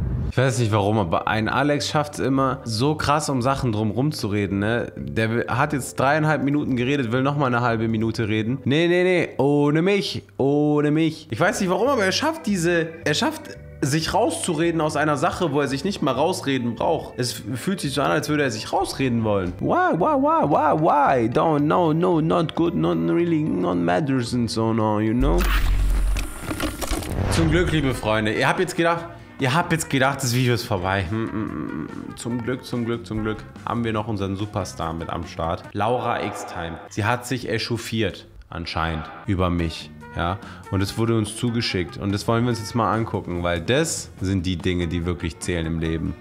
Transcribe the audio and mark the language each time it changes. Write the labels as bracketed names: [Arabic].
[German] ich weiß nicht warum, aber ein Alex schafft es immer so krass, um Sachen drumherum zu reden. Ne? Der hat jetzt 3,5 Minuten geredet, will nochmal eine halbe Minute reden. Nee, ohne mich, ohne mich. Ich weiß nicht warum, aber er schafft sich rauszureden aus einer Sache, wo er sich nicht mal rausreden braucht. Es fühlt sich so an, als würde er sich rausreden wollen. [English] Why? Don't know, no, not good, not really, not matters and so on, you know? [German] Zum Glück, liebe Freunde, ihr habt jetzt gedacht, das Video ist vorbei. Zum Glück, haben wir noch unseren Superstar mit am Start. Laura X-Time. Sie hat sich echauffiert, anscheinend, über mich. Ja, und es wurde uns zugeschickt und das wollen wir uns jetzt mal angucken, weil das sind die Dinge, die wirklich zählen im Leben.